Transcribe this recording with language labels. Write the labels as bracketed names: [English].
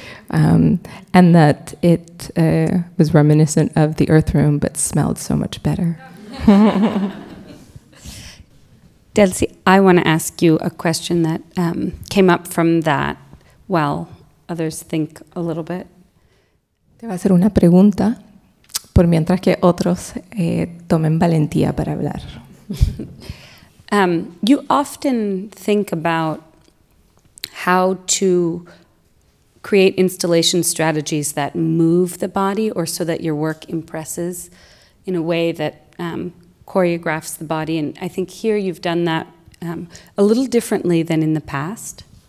[English] And that it was reminiscent of the Earth Room, but smelled so much better. Delcy, I want to ask you a question that came up from that while others think a little bit. [Spanish] Te voy a hacer una pregunta por mientras que otros tomen valentía para hablar. [English] You often think about how to create installation strategies that move the body or so that your work impresses in a way that choreographs the body. And I think here you've done that a little differently than in the past.